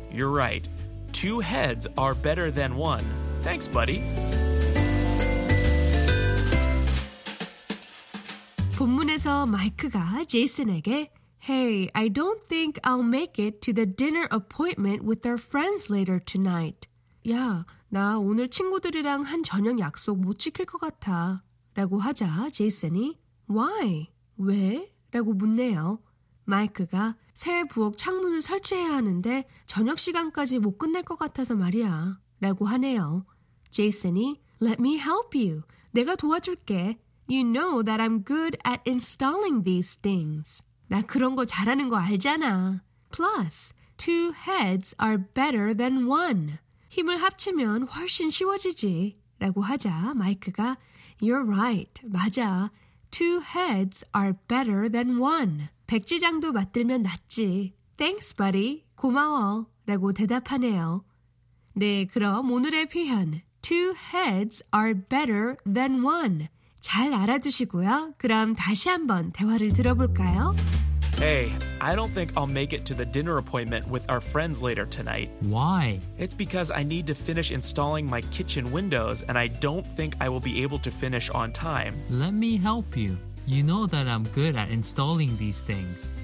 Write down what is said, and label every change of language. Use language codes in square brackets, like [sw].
[en] You're right. Two heads are better than one. Thanks, buddy. [ko] 본문에서 마이크가 제이슨에게 [en] Hey, I don't think I'll make it to the dinner appointment with our friends later tonight. [ko] 야, 나 오늘 친구들이랑 한 저녁 약속 못 지킬 것 같아. 라고 하자 제이슨이 [en] Why? [ko] 왜? 라고 묻네요. 마이크가 새 부엌 창문을 설치해야 하는데 저녁 시간까지 못 끝낼 것 같아서 말이야. 라고 하네요. 제이슨이 [en] Let me help you. [ko] 내가 도와줄게. [en] You know that I'm good at installing these things. [ko] 나 그런 거 잘하는 거 알잖아. [en] Plus, two heads are better than one. [ko] 힘을 합치면 훨씬 쉬워지지. 라고 하자 마이크가 [en] You're right. [ko] 맞아. [en] Two heads are better than one. [ko] 백지장도 맞들면 낫지. [en] Thanks, buddy. [ko] 고마워. 라고 대답하네요. 네, 그럼 오늘의 표현. [en] Two heads are better than one. [ko] 잘 알아두시고요. 그럼 다시 한번 대화를 들어볼까요? [en] Hey, I don't think I'll make it to the dinner appointment with our friends later tonight. Why? It's because I need to finish installing my kitchen windows, and I don't think I will be able to finish on time. Let me help you. You know that I'm good at installing these things.